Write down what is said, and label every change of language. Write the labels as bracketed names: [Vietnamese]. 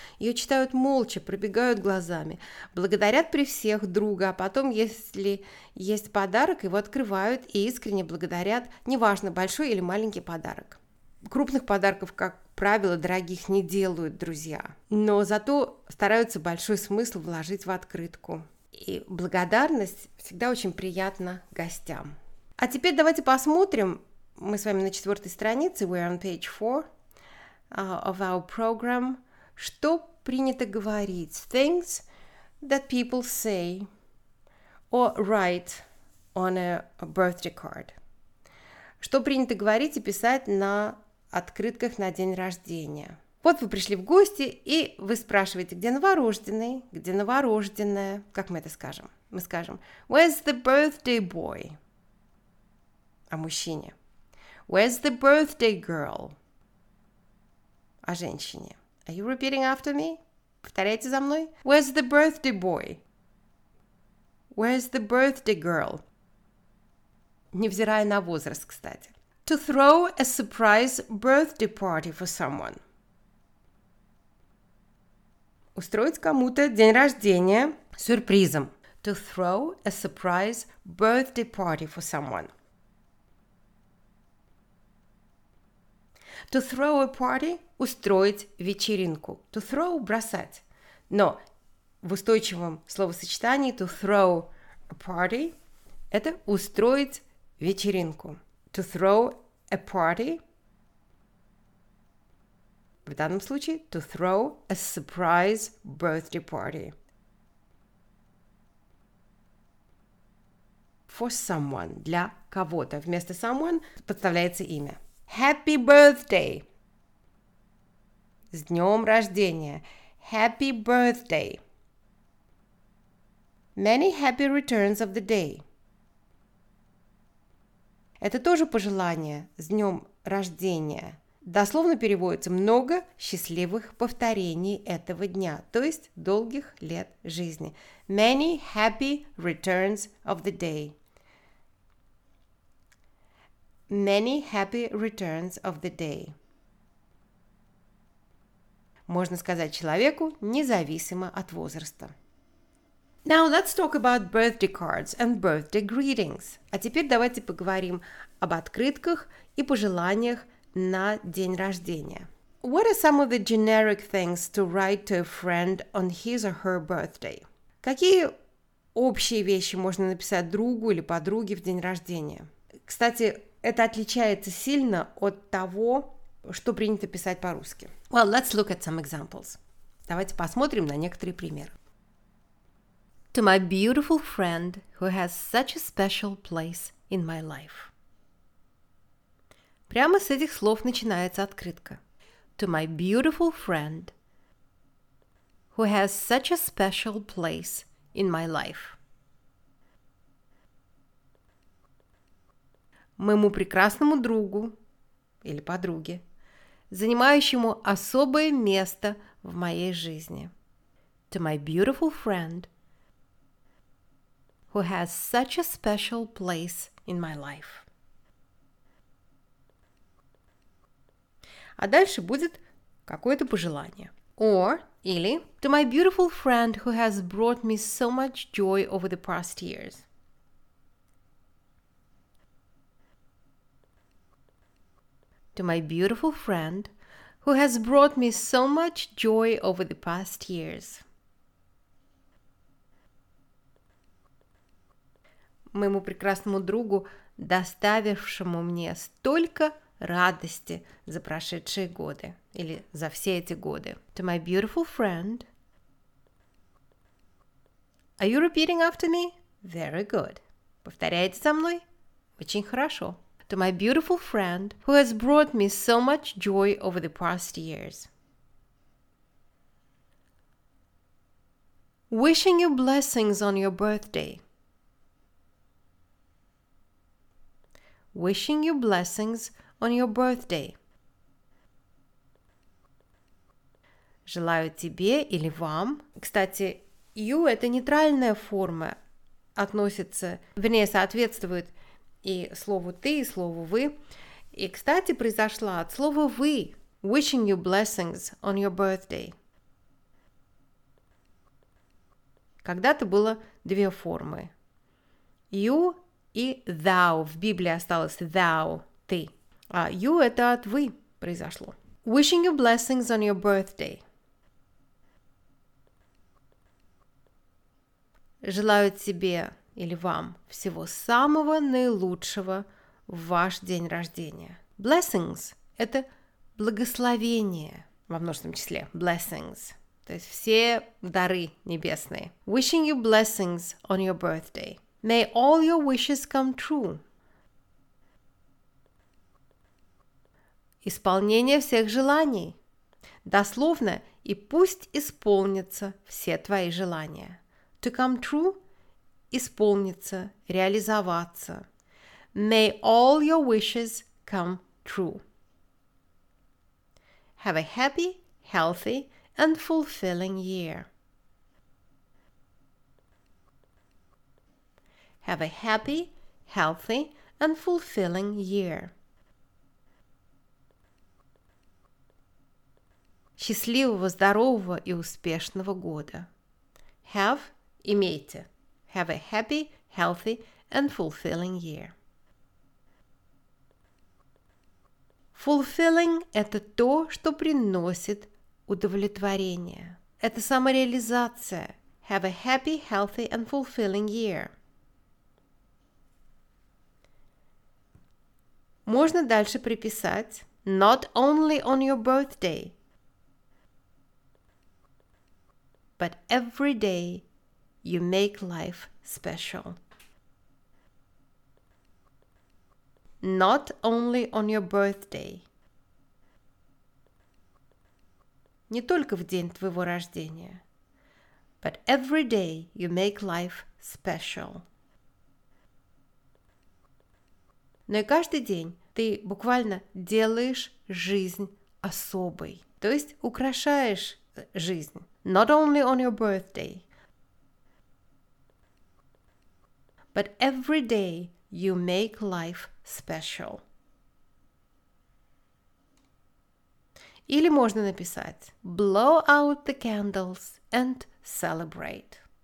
[Russian] Ее читают молча, пробегают глазами, благодарят при всех друга, а потом, если есть подарок, его открывают и искренне благодарят, неважно, большой или маленький подарок. Крупных подарков, как правило, дорогих не делают друзья, но зато стараются большой смысл вложить в открытку. И благодарность всегда очень приятна гостям. А теперь давайте посмотрим, мы с вами на четвертой странице, [English] we're on page 4 of our program, [Russian] что принято говорить, [English] things that people say or write on a birthday card. [Russian] Что принято говорить и писать на открытках на день рождения. Вот вы пришли в гости, и вы спрашиваете, где новорожденный, где новорожденная. Как мы это скажем? Мы скажем, [English] where's the birthday boy? [Russian] О мужчине. [English] Where's the birthday girl? [Russian] О женщине. [English] Are you repeating after me? [Russian] Повторяйте за мной. [English] Where's the birthday boy? Where's the birthday girl? [Russian] Невзирая на возраст, кстати. [English] to throw a surprise birthday party for someone. [Russian] Устроить кому-то день рождения сюрпризом. [English] To throw a surprise birthday party for someone. To throw a party – [Russian] устроить вечеринку. [English] To throw – [Russian] бросать. Но в устойчивом словосочетании [English] to throw a party [Russian] – это устроить вечеринку. [English] To throw a party – [Russian] в данном случае [English] to throw a surprise birthday party. For someone [Russian] – для кого-то. Вместо someone подставляется имя. [English] Happy birthday. [Russian] С днём рождения. [English] Happy birthday. Many happy returns of the day. [Russian] Это тоже пожелание. С днём рождения. Дословно переводится много счастливых повторений этого дня, то есть долгих лет жизни. [English] Many happy returns of the day. Many happy returns of the day. [Russian] Можно сказать человеку, независимо от возраста. [English] Now let's talk about birthday cards and birthday greetings. [Russian] А теперь давайте поговорим об открытках и пожеланиях на день рождения. [English] What are some of the generic things to write to a friend on his or her birthday? [Russian] Какие общие вещи можно написать другу или подруге в день рождения? Кстати, это отличается сильно от того, что принято писать по-русски. [English] Well, let's look at some examples. [Russian] Давайте посмотрим на некоторые примеры. [English] To my beautiful friend, who has such a special place in my life. [Russian] Прямо с этих слов начинается открытка. [English] To my beautiful friend, who has such a special place in my life. [Russian] Моему прекрасному другу или подруге, занимающему особое место в моей жизни. [English] To my beautiful friend, who has such a special place in my life. [Russian] А дальше будет какое-то пожелание. [English] Or, [Russian] или [English] To my beautiful friend, who has brought me so much joy over the past years. To my beautiful friend, who has brought me so much joy over the past years. [Russian] Моему прекрасному другу, доставившему мне столько радости за прошедшие годы, или за все эти годы. [English] To my beautiful friend. Are you repeating after me? Very good. [Russian] Повторяете за мной? Очень хорошо. [English] To my beautiful friend, who has brought me so much joy over the past years. Wishing you blessings on your birthday. Wishing you blessings on your birthday. [Russian] Желаю тебе или вам. Кстати, you – это нейтральная форма, относится, вернее, соответствует и слову «ты», и слову «вы». И, кстати, произошла от слова «вы». [English] Wishing you blessings on your birthday. [Russian] Когда-то было две формы. You и thou. В Библии осталось thou – ты. А you – это от «вы» произошло. [English] Wishing you blessings on your birthday. [Russian] Желаю тебе или вам всего самого наилучшего в ваш день рождения. Blessings – это благословение во множественном числе. Blessings – то есть все дары небесные. [English] Wishing you blessings on your birthday. May all your wishes come true. [Russian] Исполнение всех желаний. Дословно «и пусть исполнятся все твои желания». [English] To come true – [Russian] исполниться, реализоваться. [English] May all your wishes come true. Have a happy, healthy, and fulfilling year. Have a happy, healthy, and fulfilling year. [Russian] счастливого, здорового и успешного года. Have – имейте. [English] Have a happy, healthy and fulfilling year. [Russian] Fulfilling – это то, что приносит удовлетворение. Это самореализация. [English] Have a happy, healthy and fulfilling year. [Russian] Можно дальше приписать [English] not only on your birthday, but every day you make life special. Not only on your birthday. [Russian] Не только в день твоего рождения. [English] But every day you make life special. [Russian] Но и каждый день ты буквально делаешь жизнь особой. То есть украшаешь жизнь. [English] Not only on your birthday. But every day you make life special. [Russian] Или можно написать [English] blow out the candles and celebrate.